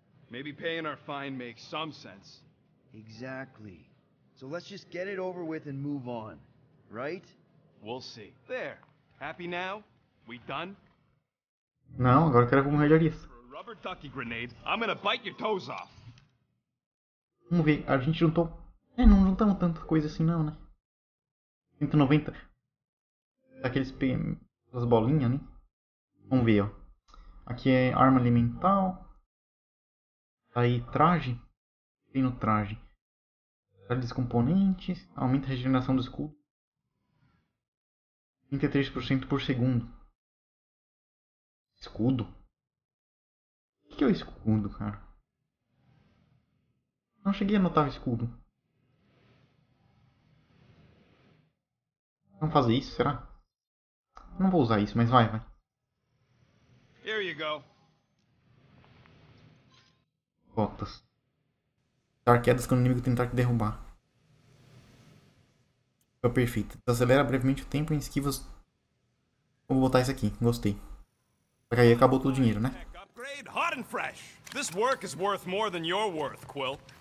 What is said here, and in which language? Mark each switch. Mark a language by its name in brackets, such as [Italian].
[English] Maybe paying our fine makes some sense. Exactly. So let's just get it over with and move on. Right? We'll see. There. Happy now? We done? [Portuguese] Não, agora eu quero ver como melhor [English] rubber ducky grenade, I'm gonna bite your toes off. [Portuguese] Vamos ver, a gente juntou. É, não juntamos tanta coisa assim não, né? 190. Daqueles PM. Aquelas bolinhas, né? Vamos ver, ó. Aqui é arma elemental. Aí traje. Tem no traje. Traje dos componentes. Aumenta a regeneração do escudo. 33% por segundo. Escudo? O que é o escudo, cara? Não cheguei a notar o escudo. Vamos fazer isso, será? Não vou usar isso, mas vai, vai. [English] Here you go. [Portuguese] Botas. Dar quedas quando o inimigo tentar te derrubar. Foi perfeito. Desacelera brevemente o tempo em esquivas. Vou botar isso aqui, gostei. Só que aí acabou todo o dinheiro, né? [English] Upgrade hot and fresh. This work is worth more than you're worth, Quill.